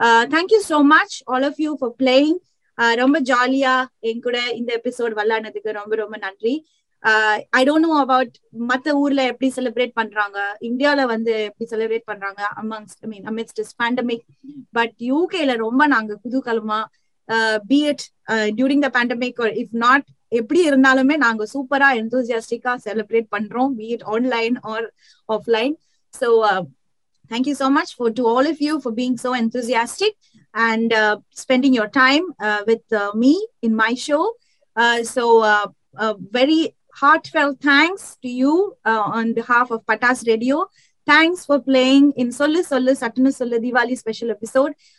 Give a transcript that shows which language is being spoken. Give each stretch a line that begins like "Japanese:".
English: Thank you so much all of you for playing.
Tamil: ரொம்ப ஜாலியா என் கூட இந்த எபிசோட் விளையாடுனதுக்கு ரொம்ப ரொம்ப நன்றி.
English: I don't know about
Tamil: மற்ற ஊர்ல எப்படி செலிப்ரேட் பண்றாங்க, இந்தியால வந்து எப்படி செலிப்ரேட் பண்றாங்க
English: amidst this pandemic.
Tamil: But UK-ல ரொம்ப நாங்க குதூகலமா
English: be it during the pandemic or if not
Tamil: எப்படி இருந்தாலுமே நாங்க சூப்பரா என்தூசியாஸ்டிக்கா செலிப்ரேட் பண்றோம்
English: be it online or offline. So thank you so much for to all of you for being so enthusiastic and spending your time with me in my show. A very heartfelt thanks to you on behalf of Patas Radio. Thanks for playing in Sollu Sollu Sattunu Sollu Diwali special episode.